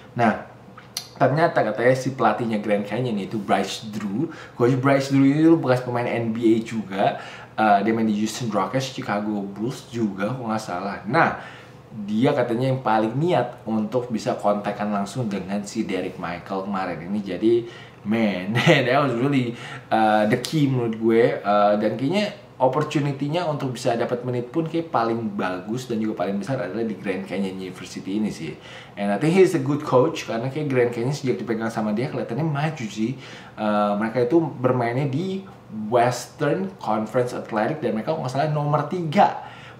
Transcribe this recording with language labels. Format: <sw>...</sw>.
<id>Nah, ternyata katanya si pelatihnya Grand Canyon itu Bryce Drew. Coach Bryce Drew ini tuh bekas pemain NBA juga. Dia main di Houston Rockets, Chicago Bulls juga, kalau nggak salah. Nah, dia katanya yang paling niat untuk bisa kontakkan langsung dengan si Derek Michael kemarin ini. Jadi,</id> <en>man, that was really the key</en> <id>menurut gue. Dan kayaknya opportunity-nya untuk bisa dapat menit pun kayak paling bagus dan juga paling besar adalah di Grand Canyon University ini sih.</id> <en>And I think he's a good coach</en> <id>karena kayak Grand Canyon sejak dipegang sama dia kelihatannya maju sih. Mereka itu bermainnya di Western Conference Athletic dan mereka nggak salah nomor 3.</id>